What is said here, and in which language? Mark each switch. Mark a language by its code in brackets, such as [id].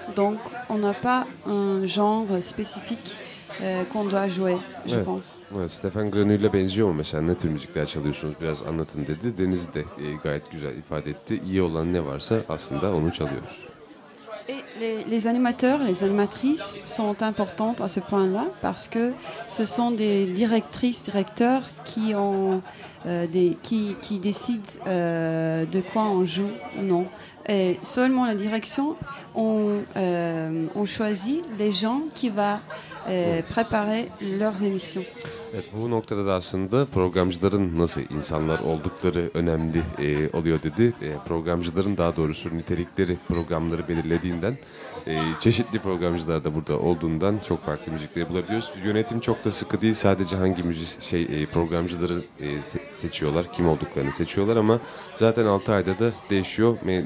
[fr] Donc on n'a pas un genre spécifique qu'on doit jouer, je pense. [tr] Evet, Stefan Grenouille'le benziyor mu mesela? Ne tür müzikler çalıyorsunuz? Biraz anlatın dedi. Deniz de gayet güzel ifade etti. İyi olan ne varsa aslında onu çalıyoruz. [fr] Et les animateurs, les animatrices sont importantes à ce point-là parce que ce sont des directrices, directeurs qui ont qui décident de quoi on joue ou non. Et seulement la direction, on choisit les gens qui va préparer leurs émissions. [tr] Evet, bu noktada da aslında programcıların nasıl insanlar oldukları önemli oluyor dedi. Programcıların daha doğrusu nitelikleri programları belirlediğinden, çeşitli programcılar da burada olduğundan çok farklı müzikleri bulabiliyoruz. Yönetim çok da sıkı değil. Sadece hangi müzik programcıları seçiyorlar, kim olduklarını seçiyorlar ama zaten 6 ayda da değişiyor.